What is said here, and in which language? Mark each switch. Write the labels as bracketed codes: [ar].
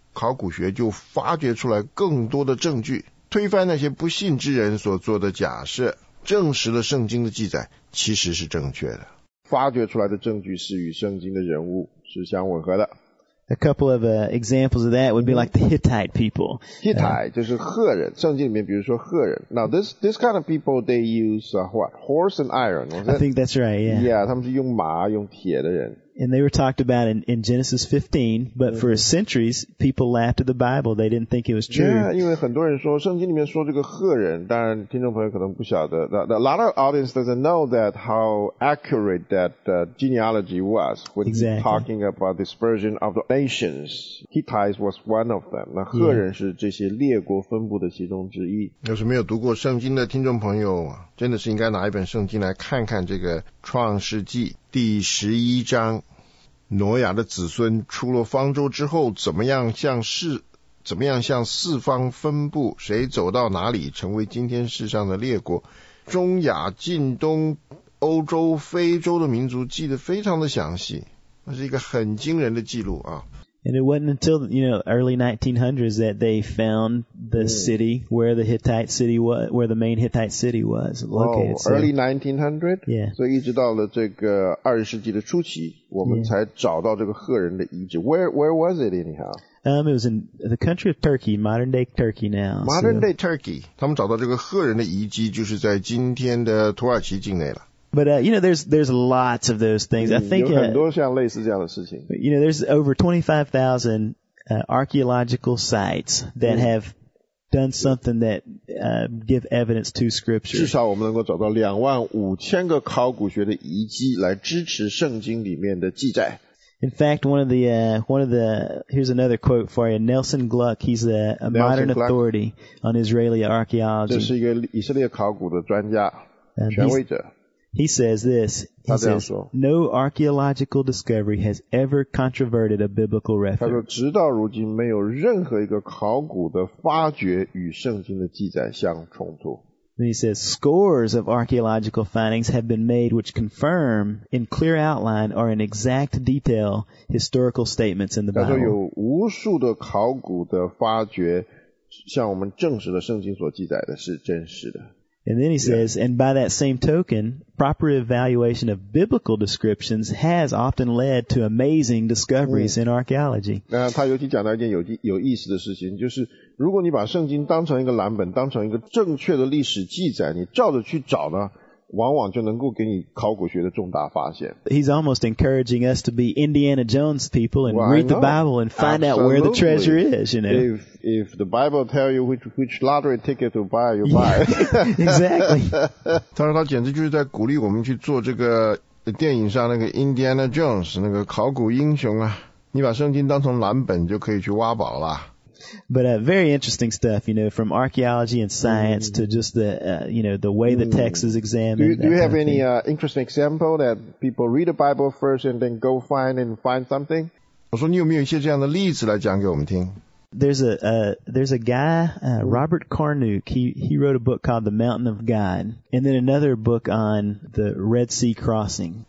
[zh] 考古学就发掘出来更多的证据，推翻那些不信之人所做的假设，证实了圣经的记载其实是正确的。发掘出来的证据是与圣经的人物是相吻合的。 [en] A couple of examples of that would be like the Hittite people. [zh] Hittite 就是赫人，圣经里面比如说赫人。 [en] Now this kind of people, they use what? Horse and iron. I think that's right, yeah. [zh] Yeah, 他们是用马用铁的人。 [en] And they were talked about in Genesis 15, but for centuries, people laughed at the Bible. They didn't think it was true. [zh] Yeah, 因为很多人说圣经里面说这个赫人，当然听众朋友可能不晓得。 [en] A lot of audience doesn't know that how accurate that genealogy was when exactly. talking about dispersion of the nations. Hittites was one of them. [zh] 那赫人是这些列国分布的其中之一。要是没有读过圣经的听众朋友，真的是应该拿一本圣经来看看这个创世纪。第十一章，挪亚的子孙出了方舟之后，怎么样向四方分布，谁走到哪里成为今天世上的列国。中亚、近东、欧洲、非洲的民族记得非常的详细，那是一个很惊人的记录啊。 [en] And it wasn't until, you know, early 1900s that they found the city where the Hittite city was, where the main Hittite city was located. Oh, early 1900? Yeah. [zh] 所以一直到了这个二十世纪的初期，我们才找到这个赫人的遗址。 [en] Where was it anyhow? It was in the country of Turkey, modern day Turkey now. Modern day Turkey. [zh] 他们找到这个赫人的遗迹就是在今天的土耳其境内了。 [en] But, you know, there's lots of those things. I think, [zh] 有很多像类似这样的事情。 [en] You know, there's over 25,000, archaeological sites that have done something that, give evidence to scripture. [zh] 至少我们能够找到25,000个考古学的遗迹来支持圣经里面的记载。 [en] In fact, one of the, here's another quote for you, Nelson Gluck, he's a modern authority on Israeli archaeology. [zh] 这是一个以色列考古的专家，权威者。 [en] He says this, no archaeological discovery has ever controverted a biblical reference. [zh] 他说直到如今没有任何一个考古的发掘与圣经的记载相冲突。 [en] And he says, scores of archaeological findings have been made which confirm in clear outline or in exact detail historical statements in the Bible. [zh] 他说有无数的考古的发掘向我们证实了圣经所记载的是真实的。 [en] And then he says, and by that same token, proper evaluation of biblical descriptions has often led to amazing discoveries in archaeology. [zh] 那他尤其讲到一件有意思的事情，就是如果你把圣经当成一个蓝本，当成一个正确的历史记载，你照着去找呢，往往就能够给你考古学的重大发现。 [en] He's almost encouraging us to be Indiana Jones people and read the Bible and find out where the treasure is, you know. If the Bible tell you which lottery ticket to buy, you buy. Yeah, exactly. [zh] 他说他简直就是在鼓励我们去做这个电影上那个 Indiana Jones, 那个考古英雄啊。你把圣经当成蓝本就可以去挖宝了。 [en] But very interesting stuff, you know, from archaeology and science to just the, you know, the way the text is examined. Do you have any interesting example that people read the Bible first and then go find something? [zh] 我说你有没有一些这样的例子来讲给我们听？ [en] There's a guy, Robert Carnoux, he wrote a book called The Mountain of God, and then another book on the Red Sea Crossing.